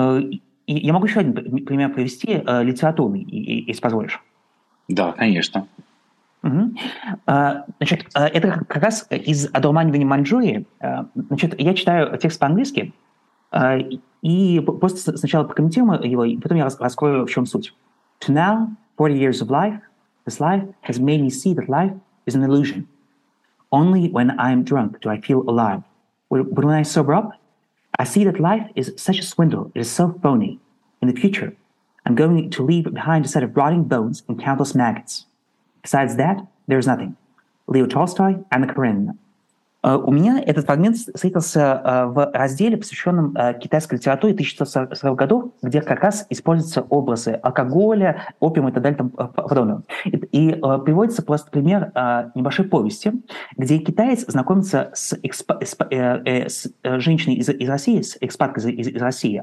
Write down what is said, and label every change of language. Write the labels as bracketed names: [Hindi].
[Russian] И я могу еще один пример привести, литературный, если позволишь. Да, конечно. Угу. Значит, это как раз из «Одурманивания Маньчжурии». Значит, я читаю текст по-английски, и просто сначала прокомментирую его, и потом я раскрою, в чем суть. [English] «To now, 40 years of life, this life has made me see that life is an illusion. Only when I am drunk do I feel alive. But when I sober up, I see that life is such a swindle, it is so phony. In the future, I'm going to leave behind a set of rotting bones and countless maggots. Besides that, there is nothing. Leo Tolstoy, Anna Karenina». [Russian] У меня этот фрагмент встретился в разделе, посвященном китайской литературе 1940-х годов, где как раз используются образы алкоголя, опиума и так далее, подобного. И приводится просто пример небольшой повести, где китаец знакомится с женщиной из России, с экспаткой из России.